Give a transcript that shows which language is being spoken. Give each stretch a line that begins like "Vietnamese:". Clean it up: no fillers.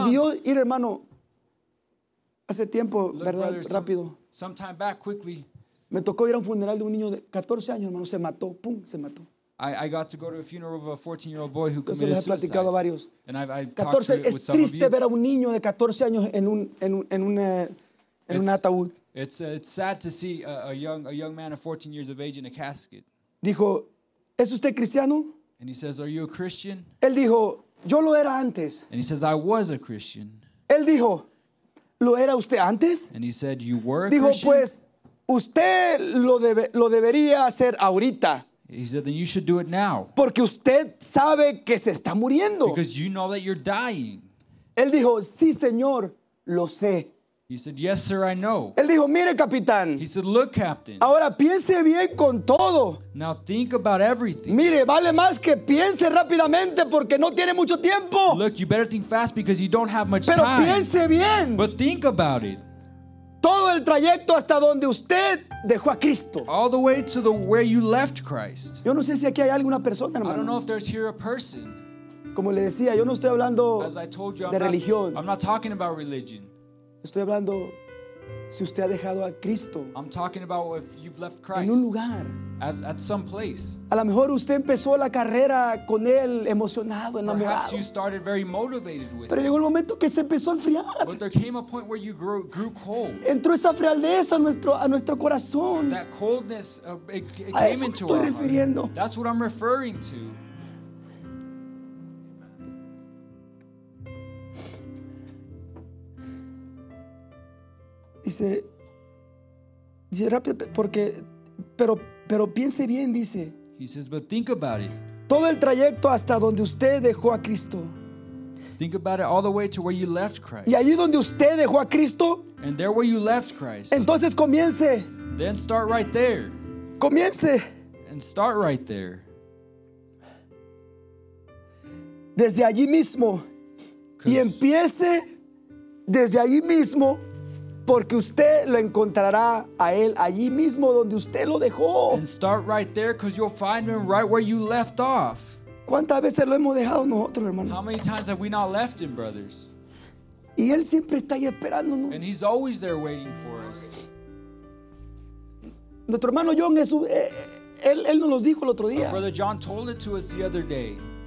Spanish: Pero si Dios, ir hermano, hace tiempo,
English: look,
Spanish: verdad, brother, rápido.
English: Sometime back, quickly.
Spanish: Me tocó ir a un funeral de un niño de 14 años, hermano, se mató, pum, se mató.
English: I got to go to a funeral of a 14-year-old boy who committed suicide. And I've 14, talked to it with some of you.
Spanish: Es triste ver a un niño de 14 años en un ataúd.
English: It's sad to see a young man of 14 years of age in a casket.
Spanish: Dijo, ¿es usted cristiano?
English: And he says, are you a Christian?
Spanish: Él dijo, yo lo era antes.
English: And he says, I was a Christian.
Spanish: Él dijo, ¿lo era usted antes?
English: And he said, you were a
Spanish: dijo,
English: Christian?
Spanish: Dijo, pues, usted lo debería hacer ahorita.
English: He said, then you should do it now.
Spanish: Porque usted sabe que se está muriendo.
English: Because you know that you're dying.
Spanish: Él dijo, sí, señor, lo sé.
English: He said, yes, sir, I know.
Spanish: Él dijo, mire, capitán.
English: He said, look, captain.
Spanish: Ahora piense bien con todo.
English: Now think about everything.
Spanish: Mire, vale más que piense rápidamente porque no tiene mucho tiempo.
English: Look, you better think fast because you don't have much
Spanish: pero
English: time.
Spanish: Pero piense bien.
English: But think about it.
Spanish: Todo el trayecto hasta donde usted dejó a Cristo.
English: All the way to the where you left Christ.
Spanish: Yo no sé si aquí hay alguna persona, hermano.
English: I don't know if there's here a person.
Spanish: Como le decía, yo no estoy hablando de religión.
English: I'm not talking about religion.
Spanish: Estoy hablando si usted ha dejado a Cristo.
English: I'm talking about if you've left Christ.
Spanish: En un lugar.
English: At some place.
Spanish: A lo mejor usted empezó la carrera con él emocionado, enamorado.
English: Perhaps you started very motivated with
Spanish: Pero llegó el momento que se empezó a enfriar.
English: But there came a point where you grew cold.
Spanish: Entró esa frialdad a nuestro corazón.
English: That coldness it came into our heart.
Spanish: A eso estoy refiriendo.
English: That's what I'm referring to.
Spanish: Dice rápido porque pero piense bien, dice.
English: He says, but think about it.
Spanish: Todo el trayecto hasta donde usted dejó a Cristo.
English: Think about it all the way to where you left Christ.
Spanish: Y allí donde usted dejó a Cristo.
English: And there where you left Christ.
Spanish: Entonces comience.
English: Then start right there.
Spanish: Comience.
English: And start right there.
Spanish: Desde allí mismo. Y empiece desde allí mismo. Porque usted lo encontrará a él allí mismo donde usted lo dejó.
English: And start right there, because you'll find him right where you left off.
Spanish: ¿Cuántas veces lo hemos dejado nosotros, hermano?
English: How many times have we not left him, brothers?
Spanish: Y él siempre está ahí esperándonos.
English: And he's always there waiting for us.
Spanish: Nuestro hermano John, él nos lo dijo el otro día.
English: Our brother John told it to us the other day.